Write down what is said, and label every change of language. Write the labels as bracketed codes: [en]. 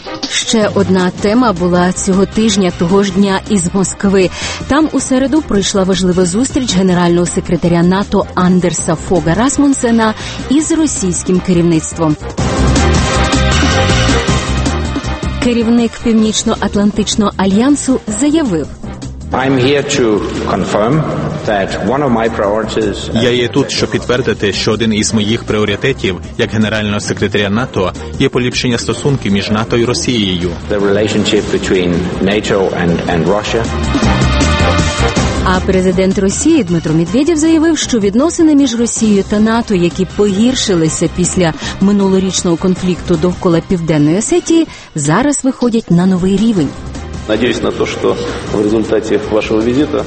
[uk] Ще одна тема була цього тижня, того ж дня, із Москви. Там у середу пройшла важлива зустріч генерального секретаря НАТО Андерса Фога Расмунсена із російським керівництвом. Керівник Північно-Атлантичного альянсу заявив: [en] I'm here to confirm that one of my priorities. [uk] Я є тут, щоб підтвердити, що один із моїх пріоритетів як генерального секретаря НАТО є поліпшення стосунків між НАТО і Росією. [en] The relationship between NATO and Russia. [uk] А президент Росії Дмитро Медведєв заявив, що відносини між Росією та НАТО, які погіршилися після минулорічного конфлікту довкола Південної Осетії, зараз виходять на новий рівень. Надіюсь на те, що в результаті вашого візиту.